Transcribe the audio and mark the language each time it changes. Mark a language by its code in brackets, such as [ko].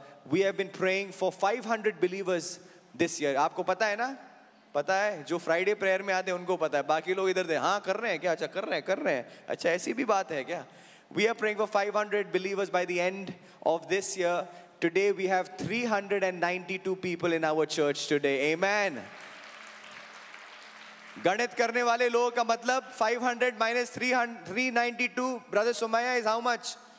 [en] We have been praying for 500 believers this year. [hi] आपको पता है ना? पता है? जो Friday prayer में आते हैं उनको पता है. बाकी लोग इधर दे. हाँ कर रहे हैं क्या? अच्छा कर रहे हैं, कर रहे हैं. अच्छा ऐसी भी बात है क्या? [en] We are praying for 500 believers by the end of this year. Today we have 392 people in our church today. Amen. [hi] गणित करने वाले लोगों का मतलब [en] 500 minus 392, brother Somaya, is how much?